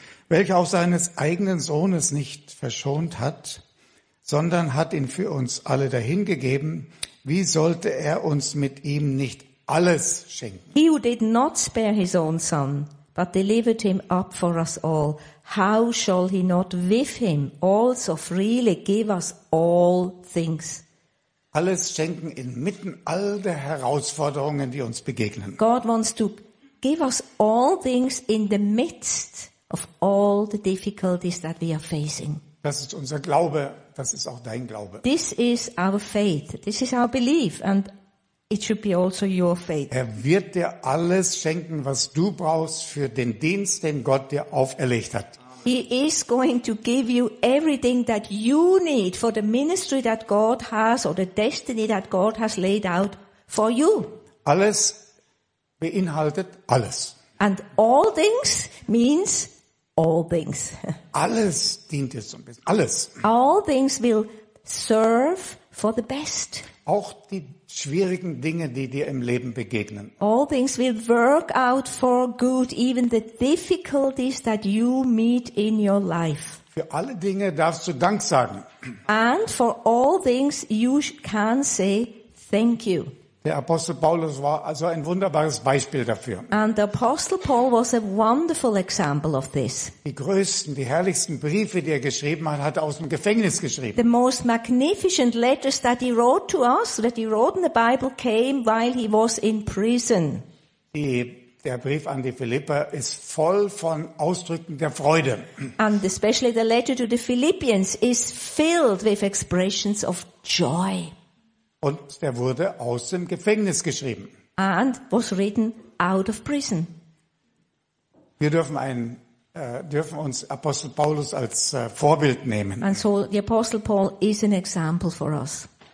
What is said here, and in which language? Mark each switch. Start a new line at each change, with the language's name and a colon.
German: Welcher auch seines eigenen Sohnes nicht verschont hat, sondern hat ihn für uns alle dahingegeben, wie sollte er uns mit ihm nicht alles schenken?
English: He who did not spare his own son, but delivered him up for us all, how shall he not with him also freely give us all things?
German: Alles schenken inmitten all der Herausforderungen, die uns begegnen.
English: God wants to give us all things in the midst of all the difficulties that we are facing.
German: Das ist unser Glaube, das ist auch dein Glaube.
English: This is our faith, this is our belief, and it should be also your faith.
German: Er wird dir alles schenken, was du brauchst für den Dienst, den Gott dir auferlegt hat.
English: He is going to give you everything that you need for the ministry that God has or the destiny that God has laid out for you.
German: Alles beinhaltet alles.
English: And all things means all things.
German: Alles dient dir zum Besten. Alles.
English: All things will serve for the best.
German: Auch die schwierigen Dinge, die dir im Leben begegnen.
English: All things will work out for good, even the difficulties that you meet in your life.
German: Für alle Dinge darfst du Dank sagen.
English: And for all things you can say thank you.
German: Der Apostel Paulus war also ein wunderbares Beispiel dafür.
English: And the Apostle Paul was a wonderful example of this.
German: Die größten, die herrlichsten Briefe, die er geschrieben hat, hat er aus dem Gefängnis geschrieben.
English: The most magnificent letters that he wrote to us, that he wrote in the Bible, came while he was in prison.
German: Der Brief an die Philipper ist voll von Ausdrücken der Freude.
English: And especially the letter to the Philippians is filled with expressions of joy.
German: Und der wurde aus dem Gefängnis geschrieben.
English: And was written out of prison.
German: Wir dürfen uns Apostel Paulus als Vorbild nehmen.
English: And so the Apostle Paul is an example for us.